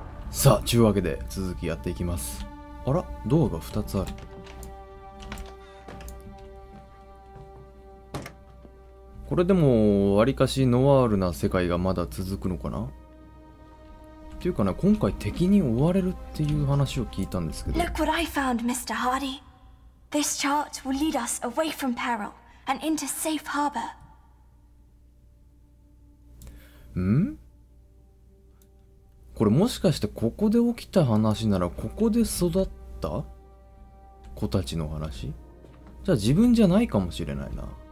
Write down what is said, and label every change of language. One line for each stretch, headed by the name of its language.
Japanese: さあ、ちゅうわけで続きやっていきます。あら、ドアが2つある。これでもわりかしノワールな世界がまだ続くのかな。っていうかね、今回敵に追われるっていう話を聞いたんですけど。
English: Look what I found, Mr. Hardy. This chart will lead us away from peril and into safe harbor.
Japanese: ん？これもしかしてここで起きた話なら、ここで育った子たちの話？じゃあ自分じゃないかもしれないな。